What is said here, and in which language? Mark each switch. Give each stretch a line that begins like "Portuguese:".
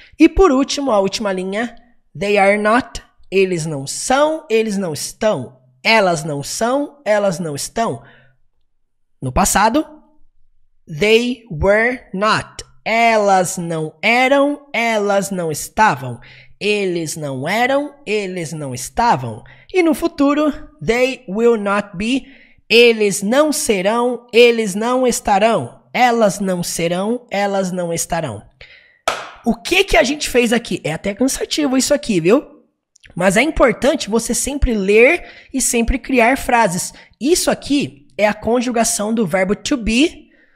Portuguese: E por último, a última linha.
English: They are not.
Portuguese: Eles não são, eles não estão. Elas não são, elas não estão. No passado.
English: They were not.
Portuguese: Elas não eram, elas não estavam. Eles não eram, eles não estavam. E no futuro,
English: they will not be.
Portuguese: Eles não serão, eles não estarão. Elas não serão, elas não estarão. O que que a gente fez aqui? É até cansativo isso aqui, viu? Mas é importante você sempre ler e sempre criar frases. Isso aqui é a conjugação do verbo to be.